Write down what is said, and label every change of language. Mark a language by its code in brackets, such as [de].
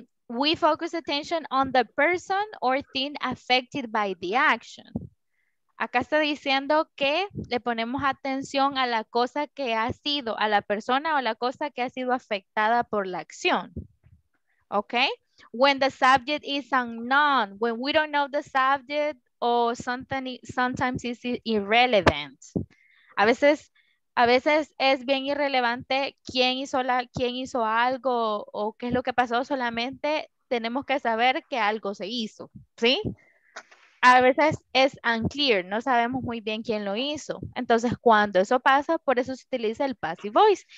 [en] We focus attention on the person or thing affected by the action. [es] acá está diciendo que le ponemos atención a la cosa que ha sido, a la persona o la cosa que ha sido afectada por la acción. [en] Okay? When the subject is unknown, when we don't know the subject, or sometimes it's irrelevant. [es] A veces es bien irrelevante quién hizo algo o qué es lo que pasó, solamente tenemos que saber que algo se hizo, ¿sí? A veces es unclear, no sabemos muy bien quién lo hizo. Entonces, cuando eso pasa, por eso se utiliza el passive voice.